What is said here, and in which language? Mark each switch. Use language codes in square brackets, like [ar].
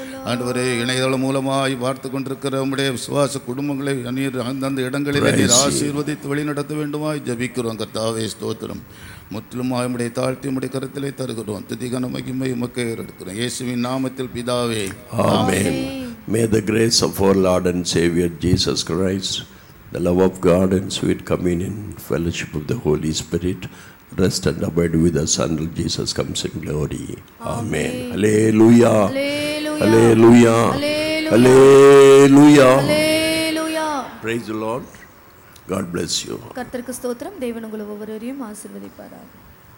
[ta] ஆண்டவரே இணையதளம் மூலமாய் பார்த்து கொண்டிருக்கிற நம்முடைய விசுவாச குடும்பங்களை நீர் அந்தந்த இடங்களிலே நீர் ஆசீர்வதித்து வழிநடத்த வேண்டுமாய் ஜபிக்கிறோம் கர்த்தாவே. ஸ்தோத்திரம். முற்றிலும் ஆயமுடைய தாழ்த்தி உடைய கருத்திலே தருகிறோம். துதி கன மகிமை உமக்கு ஏறெடுக்கிறோம் இயேசுவின் நாமத்தில் பிதாவே, ஆமென். [en] May the grace of our Lord and Savior Jesus Christ, the love of God and sweet communion fellowship of the Holy Spirit rest and abide with us until Jesus comes in glory. Amen. Hallelujah. Hallelujah. Hallelujah. Hallelujah. Praise the Lord. God bless you. [ta] கர்த்தருக்கு ஸ்தோத்திரம். தேவன் உங்களை ஒவ்வொருவரையும் ஆசீர்வதிப்பாராக.